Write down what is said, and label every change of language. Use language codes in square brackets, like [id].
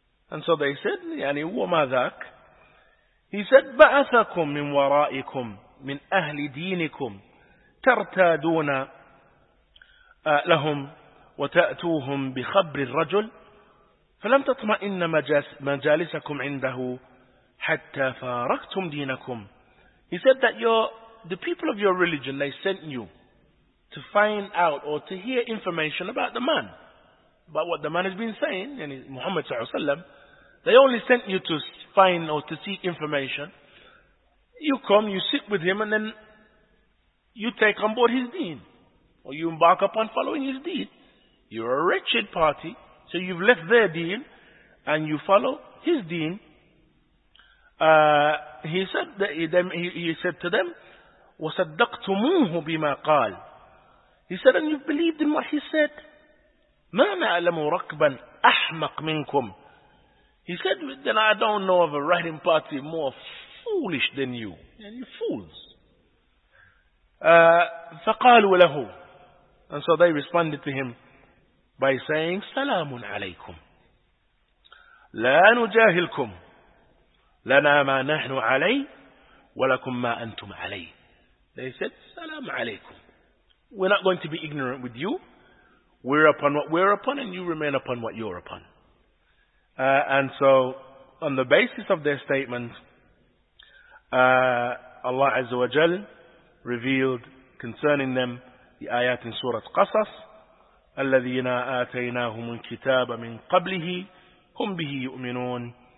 [en] And so they said, [ar] يعني وما ذاك. [en] He said, [ar] بَعَثَكُمْ مِنْ وَرَائِكُمْ مِنْ أَهْلِ دِينِكُمْ ترتادون لهم وتأتوهم بخبر الرجل فلم تطمئن مجالسكم عنده حتى فارقتم دينكم. [en] He said that the people of your religion, they sent you to find out or to hear information about the man, about what the man has been saying, yani Muhammad sallallahu alaihi wasallam. They only sent you to find or to seek information. You come, you sit with him, and then you take on board his deen, or you embark upon following his deen. You're a wretched party, so you've left their deen, and you follow his deen. He said to them, [ar] وَصَدَّقْتُمُوهُ بِمَا قَالَ. [en] He said, and you've believed in what he said. [ar] مَا نَعْلَمُ رَكْبًا أَحْمَقْ مِنْكُمْ. [en] He said, then I don't know of a riding party more foolish than you. And you fools. [ar] فَقَالُوا لَهُ. [en] And so they responded to him by saying, [ar] سَلَامٌ عَلَيْكُمْ لَا نُجَاهِلْكُمْ لَنَا مَا نَحْنُ عَلَيْهِ وَلَكُمْ مَا أَنْتُمْ عَلَيْهِ. [en] They said, [ar] سَلَامٌ عَلَيْكُمْ. [en] We're not going to be ignorant with you. We're upon what we're upon, and you remain upon what you're upon. And so, on the basis of their statement, Allah Azza wa Jal revealed concerning them the ayat in Surah Qasas, [ar] الَّذِينَ آتَيْنَاهُمُ الْكِتَابَ مِنْ قَبْلِهِ هُمْ بِهِ يُؤْمِنُونَ.